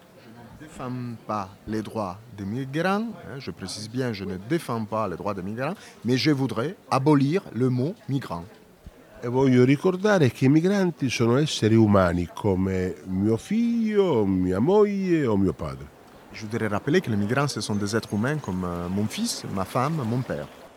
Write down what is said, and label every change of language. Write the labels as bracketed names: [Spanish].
[French] Je ne défends pas les droits des migrants, je précise bien, je ne défends pas les droits des migrants, mais je voudrais abolir le mot migrant. Et [Italian] voglio ricordare che i migranti sono esseri umani come mio figlio, mia moglie o mio padre. [French] Je voudrais rappeler que les migrants ce sont des êtres humains comme mon fils, ma femme, mon père.